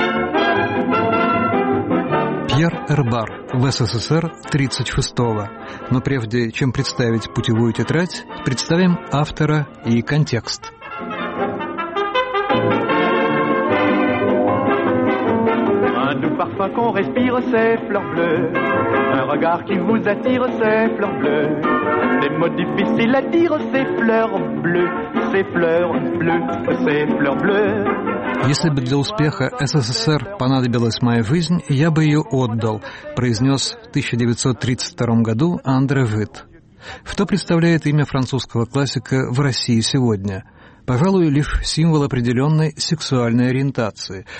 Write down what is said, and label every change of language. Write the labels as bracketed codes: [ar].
[ru] Пьер Эрбар в СССР 36-го. Но прежде чем представить путевую тетрадь, представим автора и контекст. [fr] Un doux parfum qu'on respire, c'est fleur bleue. Un regard qui vous attire, c'est fleur bleue. Des mots difficiles à dire, c'est fleur bleue. C'est fleur bleue, c'est fleur bleue. [ru] «Если бы для успеха СССР понадобилась моя жизнь, я бы ее отдал», произнес в 1932 году Андре Жид. Что представляет имя французского классика в России сегодня? Пожалуй, лишь символ определенной сексуальной ориентации.